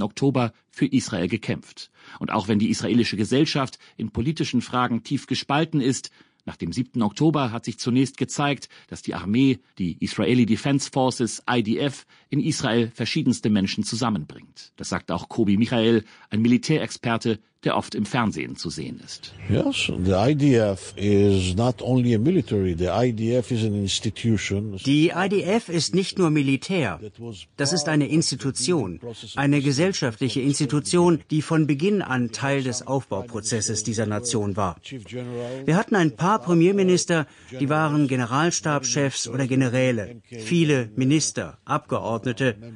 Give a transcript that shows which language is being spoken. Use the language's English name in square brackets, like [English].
[German] Oktober für Israel gekämpft. Und auch wenn die israelische Gesellschaft in politischen Fragen tief gespalten ist, nach dem 7. Oktober hat sich zunächst gezeigt, dass die Armee, die Israeli Defense Forces, IDF, in Israel verschiedenste Menschen zusammenbringt. Das sagt auch Kobi Michael, ein Militärexperte, der oft im Fernsehen zu sehen ist. [English] Yes, the IDF is not only a military, the IDF is an institution. [German] Die IDF ist nicht nur Militär, das ist eine Institution, eine gesellschaftliche Institution, die von Beginn an Teil des Aufbauprozesses dieser Nation war. Wir hatten ein paar Premierminister, die waren Generalstabschefs oder Generäle, viele Minister, Abgeordnete.